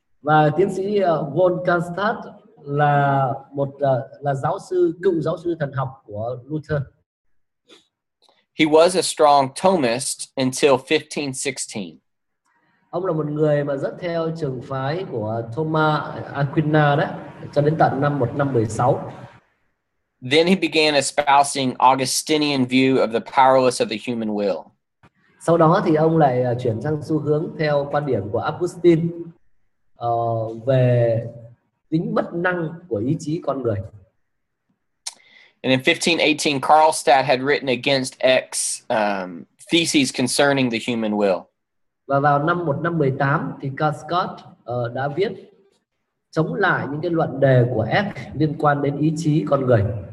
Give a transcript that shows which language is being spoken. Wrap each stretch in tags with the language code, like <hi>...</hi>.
<vi>Và tiến sĩ von Karlstadt là một là giáo sư cựu giáo sư thần học của Luther.</vi> <en>He was a strong Thomist until 1516.</en> <vi>Ông là một người mà rất theo trường phái của Thomas Aquinas đấy, cho đến tận năm 1516.</vi> <en>Then he began espousing Augustinian view of the powerless of the human will.</en> <vi>Sau đó thì ông lại chuyển sang xu hướng theo quan điểm của Augustine về tính bất năng của ý chí con người.</vi> <en>And in 1518, Karlstadt had written against Eck's theses concerning the human will.</en> <vi>Và vào năm 1518 thì Karlstadt đã viết chống lại những cái luận đề của Eck liên quan đến ý chí con người.</vi>